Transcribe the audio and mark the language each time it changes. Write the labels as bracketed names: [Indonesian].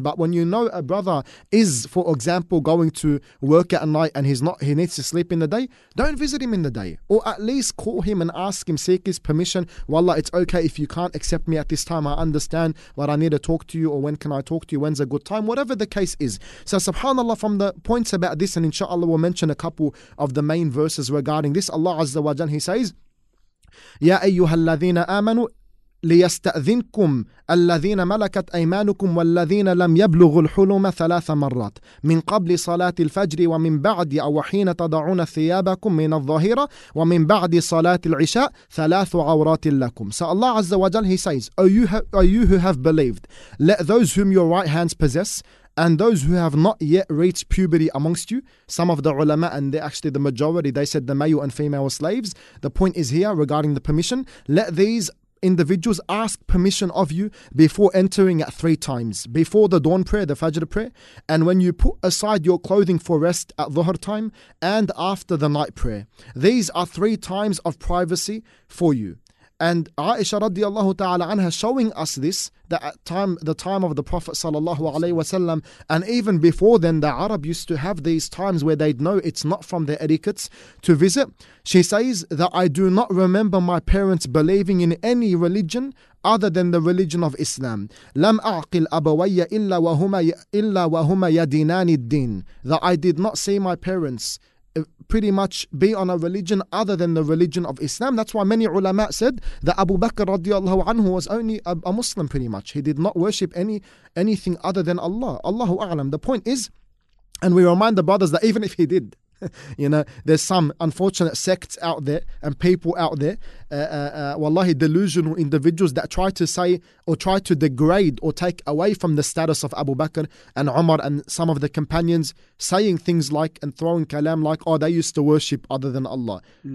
[English] But when you know a brother is, for example, going to work at night and he's not, he needs to sleep in the day, don't visit him in the day. Or at least call him and ask him, seek his permission. Wallah, it's okay if you can't accept me at this time. I understand, but I need to talk to you, or when can I talk to you? When's a good time? Whatever the case is. So subhanAllah, from the points about this, and inshallah we'll mention a couple of the main verses regarding this. Allah Azza wa Jalla, he says, [Arabic] Ya ayyuhal ladhina amanu ليستأذنكم الذين ملكت أيمانكم والذين لم يبلغوا الحلم 3 مرات من قبل صلاة الفجر ومن بعد أو حين تضعون ثيابكم من الظهيرة ومن بعد صلاة العشاء 3 عورات لكم. [English] So Allah Azza wa Jal, he says, O you who have believed, let those whom your right hands possess and those who have not yet reached puberty amongst you, some of the ulama, and they're actually the majority, they said the male and female slaves, the point is here regarding the permission, let these individuals ask permission of you before entering at 3 times, before the dawn prayer, the fajr prayer, and when you put aside your clothing for rest at dhuhr time, and after the night prayer. These are 3 times of privacy for you. And Aisha radiallahu ta'ala anha showing us this, that at the time of the Prophet sallallahu alaihi wasallam, and even before then, the Arab used to have these times where they'd know it's not from their etiquettes to visit. She says that I do not remember my parents believing in any religion other than the religion of Islam. [Arabic] لم أعقل أبوي إلا وهما يدينان الدين. [English] That I did not see my parents pretty much be on a religion other than the religion of Islam. That's why many ulama said that Abu Bakr radiallahu anhu was only a Muslim pretty much. He did not worship anything other than Allah. Allahu A'lam. The point is, and we remind the brothers that even if he did, you know, there's some unfortunate sects out there and people out there, wallahi, delusional individuals that try to say or try to degrade or take away from the status of Abu Bakr and Umar and some of the companions, saying things like and throwing kalam like, oh, they used to worship other than Allah. Mm.